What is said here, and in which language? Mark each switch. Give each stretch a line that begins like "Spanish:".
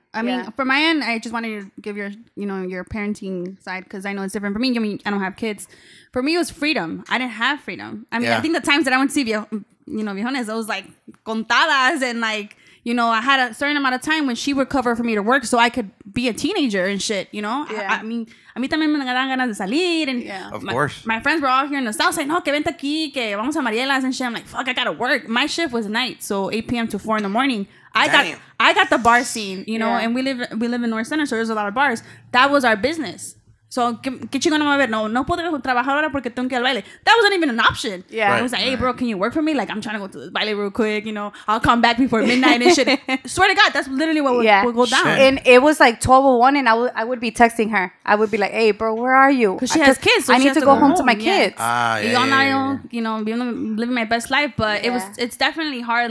English: I mean, for my end, I just wanted to give your parenting side, because I know it's different for me. I mean, I don't have kids. For me, it was freedom. I didn't have freedom. I mean, yeah. I think the times that I went to see Viejones, it was like contadas, and like, you know, I had a certain amount of time when she would cover for me to work so I could be a teenager and shit, you know? Yeah. I mean,
Spanish: también me daban ganas de salir.
English: And Of course. My friends were all here in the South saying, no,
Spanish: que vente aquí, que vamos a
English: Mariela's and shit. I'm like, fuck, I gotta work. My shift was night, so 8 p.m. to 4 in the morning. I got the bar scene, you know, and we live in North Center, so there's a lot of bars. That was our business. So,
Spanish: ¿qué chingona va a ver? No, no puedo trabajar ahora porque tengo que ir al baile.
English: That wasn't even an option. Yeah. Right. It was like, hey, bro, can you work for me? Like, I'm trying to go to the baile real quick, you know. I'll come back before midnight and shit. Swear to God, that's literally what would go down. Shit. And it was like 12:01, and I would be texting her. I would be like, hey, bro, where are you? Because she has kids. So I need to go home to my kids. Living my best life. But it's definitely hard.